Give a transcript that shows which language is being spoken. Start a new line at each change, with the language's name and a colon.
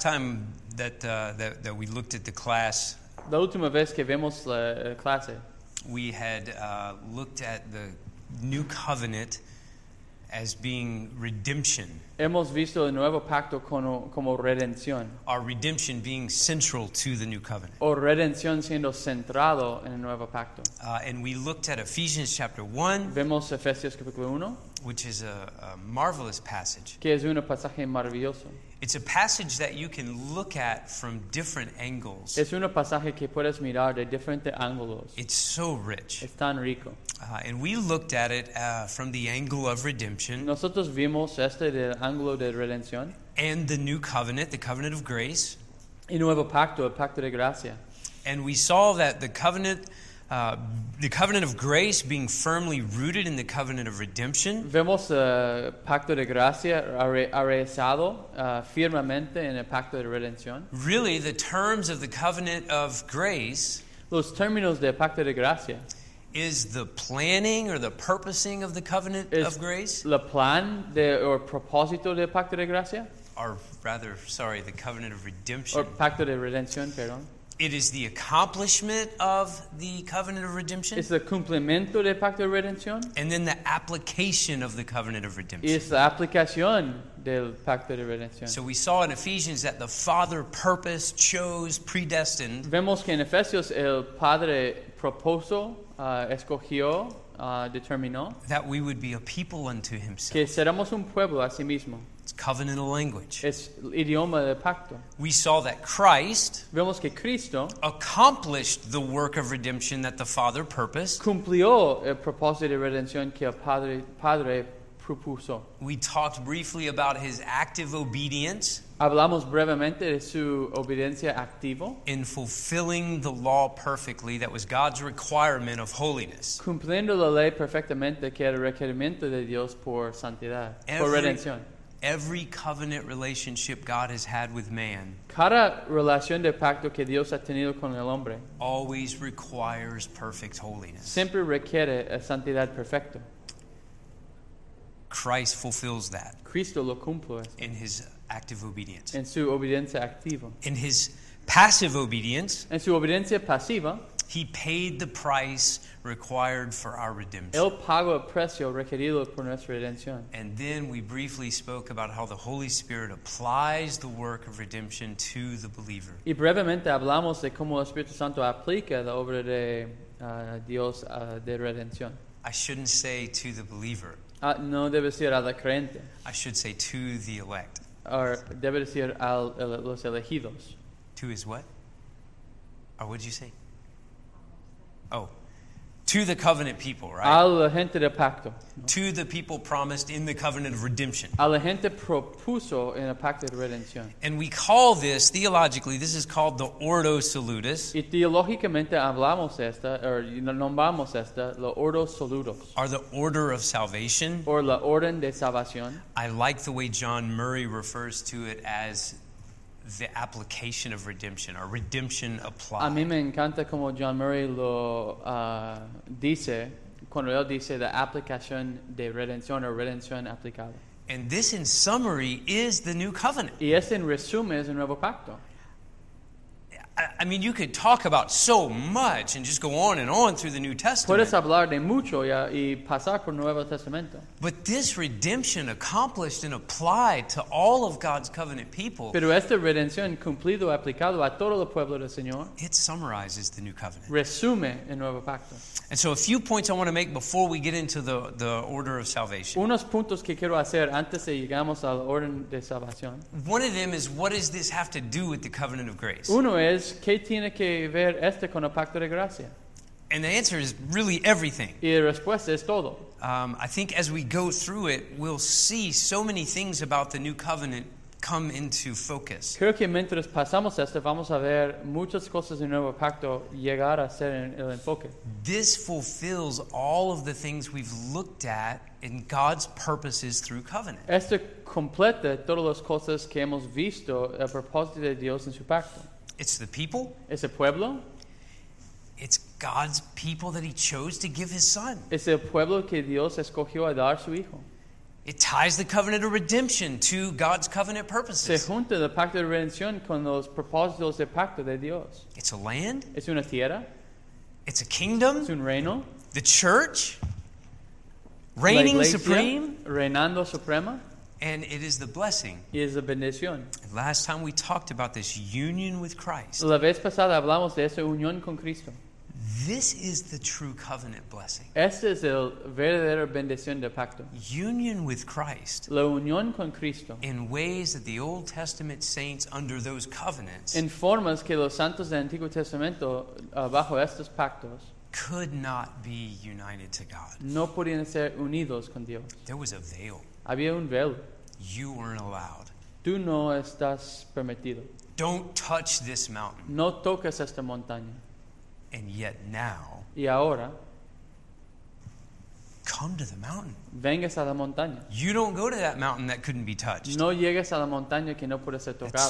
English: But the last time that we looked at the class.
Spanish: La última vez que vemos la clase.
English: We had looked at the new covenant as being redemption.
Spanish: Hemos visto el nuevo pacto como redención.
English: Our redemption being central to the new covenant.
Spanish: O redención siendo centrado en el nuevo pacto.
English: And we looked at Ephesians chapter 1.
Spanish: Vemos Efesios capítulo 1.
English: which is a marvelous passage.
Spanish: Que es un pasaje maravilloso.
English: It's a passage that you can look at from different angles.
Spanish: Es un pasaje que puedes mirar de diferentes ángulos.
English: It's so rich.
Spanish: Es tan rico.
English: And we looked at it from the angle of redemption.
Spanish: Nosotros vimos este del ángulo de redención.
English: And the new covenant, the covenant of grace.
Spanish: Y nuevo pacto, el pacto de gracia.
English: And we saw that the covenant of grace being firmly rooted in the covenant of redemption.
Spanish: Vemos el pacto de gracia arraigado firmemente en el pacto de redención.
English: Really, the terms of the covenant of grace.
Spanish: Los términos del pacto de gracia.
English: Is the planning or the purposing of the covenant
Spanish: es
English: of grace?
Spanish: El plan de o propósito del pacto de gracia.
English: Or rather, sorry, the covenant of redemption. Or
Spanish: pacto de redención, perdón.
English: It is the accomplishment of the covenant of redemption.
Spanish: Es el cumplimiento del pacto de redención.
English: And then the application of the covenant of redemption.
Spanish: Es la aplicación del pacto de redención.
English: So we saw in Ephesians that the Father purposed, chose, predestined.
Spanish: Vemos que en Efesios el Padre propuso, escogió, determinó.
English: That we would be a people unto himself.
Spanish: Que seremos un pueblo a sí mismo.
English: Covenantal language.
Spanish: Es el idioma del pacto.
English: We saw that Christ
Spanish: vemos que Cristo
English: accomplished the work of redemption that the Father purposed.
Spanish: Cumplió el propósito de redención que el Padre propuso.
English: We talked briefly about his active obedience.
Spanish: Hablamos brevemente de su obediencia activa.
English: In fulfilling the law perfectly, that was God's requirement of holiness.
Spanish: Cumpliendo la ley perfectamente que era requerimiento de Dios por santidad, por redención.
English: Every covenant relationship God has had with man,
Spanish: cada relación de pacto que Dios ha tenido con el hombre,
English: always requires perfect holiness.
Spanish: Siempre requiere a santidad perfecta.
English: Christ fulfills that.
Spanish: Cristo lo cumple.
English: In his active obedience.
Spanish: En su obediencia activa.
English: In his passive obedience.
Spanish: En su obediencia pasiva.
English: He paid the price required for our redemption.
Spanish: Él pagó el precio requerido por nuestra redención.
English: And then we briefly spoke about how the Holy Spirit applies the work of redemption to the believer.
Spanish: Y brevemente hablamos de cómo el Espíritu Santo aplica la obra de Dios de redención.
English: I shouldn't say to the believer.
Spanish: No debe decir a la creyente.
English: I should say to the elect. Or
Spanish: debe decir a los elegidos.
English: To his what? Or what did you say? Oh, to the covenant people, right?
Spanish: A la gente de pacto.
English: To the people promised in the covenant of redemption.
Spanish: A la gente propuso en el pacto de redención.
English: And we call this, theologically, this is called the Ordo Salutis.
Spanish: Y teológicamente hablamos esta,
English: or
Spanish: nombramos esta, la Ordo Salutis.
English: Are the order of salvation. Or
Spanish: la orden de salvación.
English: I like the way John Murray refers to it as the application of redemption, or redemption applied.
Spanish: A mí me encanta como John Murray lo dice, cuando él dice la aplicación de redención o redención aplicada.
English: And this, in summary, is the new covenant.
Spanish: Y este, en resumen, es el nuevo pacto.
English: I mean, you could talk about so much and just go on and on through the New Testament.
Spanish: Puedes hablar de mucho ya y pasar por Nuevo Testamento.
English: But this redemption accomplished and applied to all of God's covenant people.
Spanish: Pero esta redención cumplido y aplicado a todo el pueblo del Señor.
English: It summarizes the new covenant.
Spanish: Resume el nuevo pacto.
English: And so a few points I want to make before we get into the order of salvation.
Spanish: Unos puntos que quiero hacer antes de llegamos al orden de salvación.
English: One of them is, what does this have to do with the covenant of grace?
Spanish: Uno es, ¿qué tiene que ver este con el pacto de gracia?
English: And the answer is really everything.
Spanish: Y la respuesta es todo.
English: I think as we go through it, we'll see so many things about the new covenant come into focus.
Spanish: Creo que mientras pasamos esto, vamos a ver muchas cosas del nuevo pacto llegar a ser en el enfoque.
English: This fulfills all of the things we've looked at in God's purposes through covenant.
Spanish: Esto completa todas las cosas que hemos visto a propósito de Dios en su pacto.
English: It's the people.
Spanish: Es el pueblo.
English: It's God's people that he chose to give his son.
Spanish: Es el pueblo que Dios escogió a dar su hijo.
English: It ties the covenant of redemption to God's covenant purposes.
Spanish: Se junta el pacto de redención con los propósitos del pacto de Dios.
English: It's a land.
Spanish: Es una tierra.
English: It's a kingdom.
Spanish: Es un reino.
English: The church. Reigning
Spanish: la iglesia,
English: supreme.
Spanish: Reinando suprema.
English: And it is the blessing.
Spanish: Y es la bendición.
English: Last time we talked about this union with Christ.
Spanish: La vez pasada hablamos de esa unión con Cristo.
English: This is the true covenant blessing.
Spanish: Este es el verdadero bendición del pacto.
English: Union with Christ.
Spanish: La unión con Cristo.
English: In ways that the Old Testament saints under those covenants.
Spanish: En formas que los santos del Antiguo Testamento bajo estos pactos.
English: Could not be united to God.
Spanish: No podían ser unidos con Dios.
English: There was a veil.
Spanish: Había un velo.
English: You weren't allowed.
Spanish: Tú no estás permitido.
English: Don't touch this mountain.
Spanish: No toques esta montaña.
English: And yet now,
Spanish: y ahora,
English: come to the mountain.
Spanish: Vengas a la montaña.
English: You don't go to that mountain that couldn't be touched.
Spanish: No llegas a la montaña que no puede ser tocada.